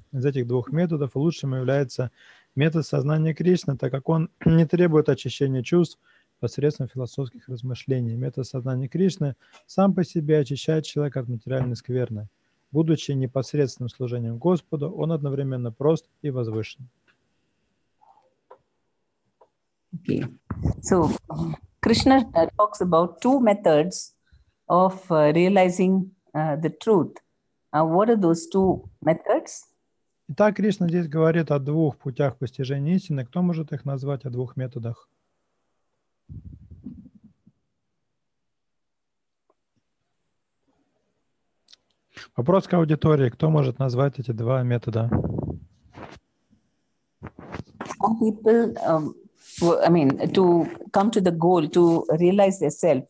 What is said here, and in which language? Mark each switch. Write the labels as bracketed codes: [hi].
[ru] Из этих двух методов лучшим является метод сознания Кришны, так как он не требует очищения чувств посредством философских размышлений. Метод сознания Кришны сам по себе очищает человека от материальной скверны. Будучи непосредственным служением Господу, он одновременно прост и возвышен. [en] Okay. So, Krishna talks about two methods of realizing the truth. What are those two methods? [ru] Итак, Кришна здесь говорит о двух путях постижения истины. Кто может их назвать, о двух методах? Вопрос к аудитории. Кто может назвать эти два метода? [en] Some people, to come to the goal, to realize themselves.